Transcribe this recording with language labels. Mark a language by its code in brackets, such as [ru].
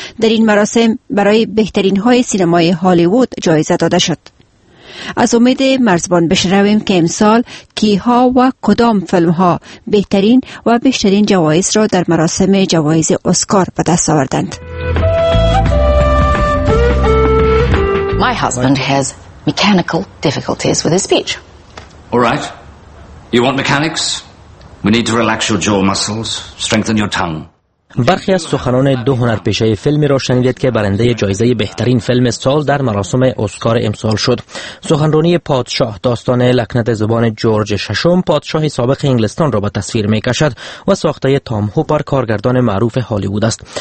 [fa] در این مراسم برای بهترین های سینمای هالیوود جایزه داده شد. از امید مرزبان بشنویم که امسال کیها و کدام فیلم ها بهترین و بیشترین جوایز را در مراسم جوایز اسکار به دست آوردند. [en] My husband has mechanical difficulties with his speech. All right. You want mechanics? We need to relax your jaw muscles, strengthen your tongue. [fa] برخی از سخنان دو هنرپیشه فیلمی را شنیدید که برنده جایزه بهترین فیلم سال در مراسم اسکار امسال شد. سخنرانی پادشاه داستان لکنت زبان جورج ششم پادشاه سابق انگلستان را به تصویر می‌کشد و ساخته تام هوپر کارگردان معروف هالیوود است.